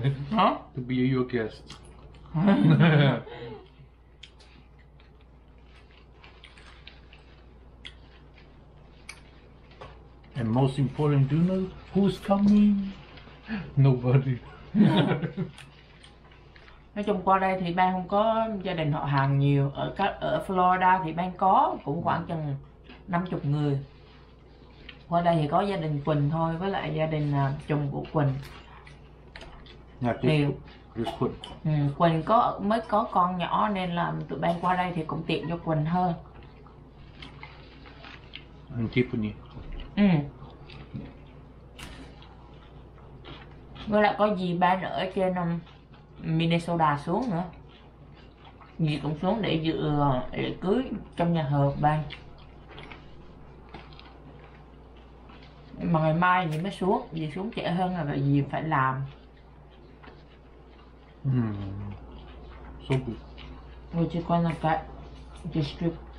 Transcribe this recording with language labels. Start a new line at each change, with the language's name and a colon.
English: Huh? To be your guest. And most important, do you know who's coming? Nobody.
Vietnamese: Nói chung qua đây thì Ben không có gia đình họ hàng nhiều. Ở Florida thì Ben có cũng khoảng chừng 50 người. Qua đây thì có gia đình Quỳnh thôi, với lại gia đình chồng của Quỳnh. Nhà tiếp Quỳnh. Quỳnh có, mới có con nhỏ nên là tụi Ben qua đây thì cũng tiện cho Quỳnh hơn. Anh Tiffany. Với lại có dì Ben ở trên Minnesota xuống nữa. Dì cũng xuống để dự lễ cưới trong nhà thờ Ben. Mà ngày mai dì mới xuống, dì xuống trễ hơn là vì dì phải làm.
English: So good. What you gonna get this trip?